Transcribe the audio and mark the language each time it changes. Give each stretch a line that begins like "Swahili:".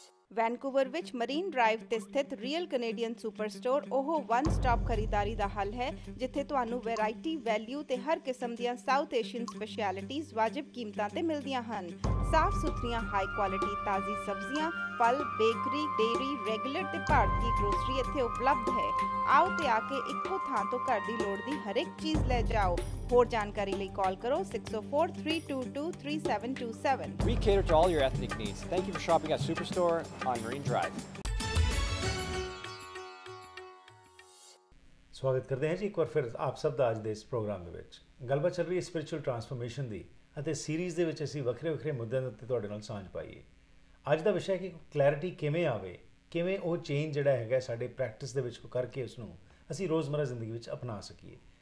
Punjabi: Vancouver ਵਿੱਚ marine drive ਤੇ ਸਥਿਤ ਰੀਅਲ ਕੈਨੇਡੀਅਨ ਸੁਪਰ ਸਟੋਰ ਉਹ ਵਨ ਸਟਾਪ ਖਰੀਦਦਾਰੀ ਦਾ ਹੱਲ ਹੈ ਜਿੱਥੇ ਤੁਹਾਨੂੰ ਵੈਰਾਈਟੀ, ਵੈਲਿਊ ਤੇ ਹਰ ਕਿਸਮ ਦੀਆਂ ਸਾਊਥ ਏਸ਼ੀਅਨ ਸਪੈਸ਼ਲਿਟੀਜ਼ ਵਾਜਿਬ ਕੀਮਤਾਂ ਤੇ ਮਿਲਦੀਆਂ ਹਨ। ਸਾਫ਼ ਸੁਥਰੀਆਂ, ਹਾਈ ਕੁਆਲਿਟੀ ਤਾਜ਼ੀ ਸਬਜ਼ੀਆਂ, ਫਲ, ਬੇਕਰੀ, ਡੇਅਰੀ, ਰੈਗੂਲਰ ਤੇ ਭਾਰਤੀ ਗ੍ਰੋਸਰੀ ਇੱਥੇ ਉਪਲਬਧ ਹੈ। ਆਓ ਤੇ ਆ ਕੇ ਇੱਕੋ ਥਾਂ ਤੋਂ ਘਰ ਦੀ ਲੋੜ ਦੀ ਹਰ ਇੱਕ ਚੀਜ਼ ਲੈ ਜਾਓ। ਹੋਰ ਜਾਣਕਾਰੀ ਲਈ ਕਾਲ ਕਰੋ 604-322-3727।
English: We cater to all your ethnic needs. Thank you for shopping at Superstore on Marine Drive.
Punjabi: ਸਵਾਗਤ ਕਰਦੇ ਹਾਂ ਜੀ ਇੱਕ ਵਾਰ ਫਿਰ ਆਪ ਸਭ ਦਾ ਅੱਜ ਦੇ ਇਸ ਪ੍ਰੋਗਰਾਮ ਦੇ ਵਿੱਚ। ਗੱਲਬਾਤ ਚੱਲ ਰਹੀ ਹੈ ਸਪਿਰਚੁਅਲ ਟ੍ਰਾਂਸਫਰਮੇਸ਼ਨ ਦੀ ਅਤੇ ਸੀਰੀਜ਼ ਦੇ ਵਿੱਚ ਅਸੀਂ ਵੱਖਰੇ ਵੱਖਰੇ ਮੁੱਦਿਆਂ ਦੇ ਉੱਤੇ ਤੁਹਾਡੇ ਨਾਲ ਸਾਂਝ ਪਾਈਏ। ਅੱਜ ਦਾ ਵਿਸ਼ਾ ਹੈ ਕਿ ਕਲੈਰਿਟੀ ਕਿਵੇਂ ਆਵੇ, ਕਿਵੇਂ ਉਹ ਚੇਂਜ ਜਿਹੜਾ ਹੈਗਾ ਸਾਡੇ ਪ੍ਰੈਕਟਿਸ ਦੇ ਵਿੱਚ ਕਰਕੇ ਉਸਨੂੰ ਅਸੀਂ ਰੋਜ਼ਮਰਾ ਜ਼ਿੰਦਗੀ ਵਿੱਚ ਅਪਣਾ ਸਕੀਏ।